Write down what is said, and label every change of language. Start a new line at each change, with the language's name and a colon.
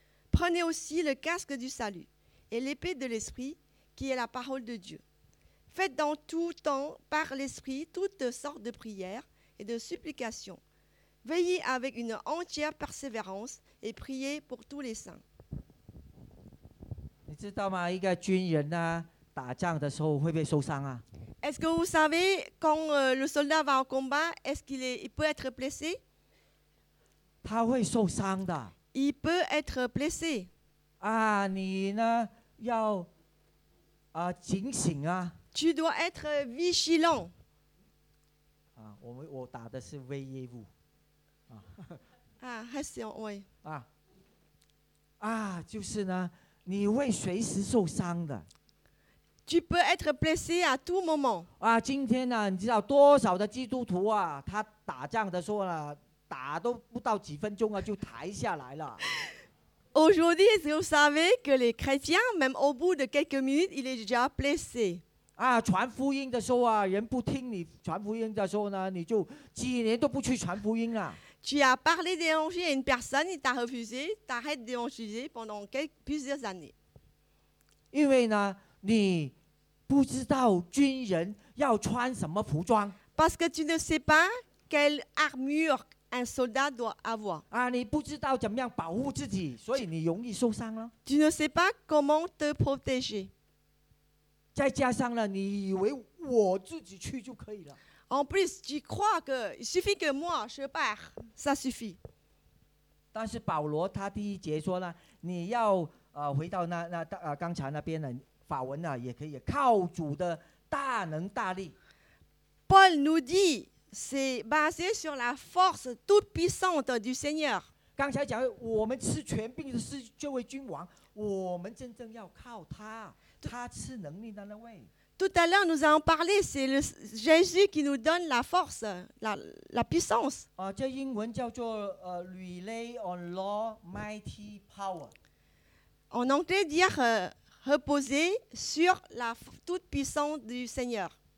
French: Prenez aussi le casque du salut et l'épée de l'esprit, qui est la parole de Dieu. Faites dans tout temps par l'esprit toutes sortes de prières et de supplications. Veillez avec une entière persévérance et priez pour tous les saints.
Chinese: 你知道吗？一个军人呢，打仗的时候会不会受伤啊？
French: Est-ce que vous savez quand le soldat va au combat, est-ce qu'il est, il peut être blessé?
Chinese: 他会受伤的。
French: Il peut être blessé.
Chinese: 啊，你呢要警醒啊。
French: Tu dois être vigilant.
Chinese: 啊，我打的是威耶夫。啊，还是要喂啊，就是呢，你会随时受伤的。
French: Tu peux être blessé à tout moment.
Chinese: 啊，今天呢，你知道多少的基督徒啊，他打仗的时候呢，打都不到几分钟啊，就抬下来了。
French: Aujourd'hui, vous savez que les chrétiens, même au bout de quelques minutes, il est déjà blessé.
Chinese: 啊，传福音的时候啊，人不听你传福音的时候呢，你就几年都不去传福音了。
French: Tu as parlé de l'évangile à une personne, il t'a refusé, t'arrêtes d'évangéliser pendant plusieurs années.
Chinese: 因为呢，你不知道军人要穿什么服装。
French: Parce que tu ne sais pas quelle armure un soldat doit avoir.
Chinese: 啊，你不知道怎么样保护自己，所以你容易受伤了。
French: Tu ne sais pas comment te protéger.
Chinese: 再加上呢，你以为我自己去就可以了。
French: En plus, tu crois que il suffit que moi je pars, ça suffit.
Chinese: 但是保罗他第一节说呢，你要回到那刚才那边的法文呢，也可以靠主的大能大力。
French: Paul nous dit, c'est basé sur la force toute puissante du Seigneur.
Chinese: 刚才讲我们吃权柄的是这位君王，我们真正要靠他，他赐能力的那位。
French: Tout à l'heure, nous avons parlé, c'est le Jésus qui nous donne la force, la puissance. Cette
Chinese: 英文叫做
English: Rely on Lord Mighty Power.
French: En anglais, dire reposer sur la toute puissance du Seigneur.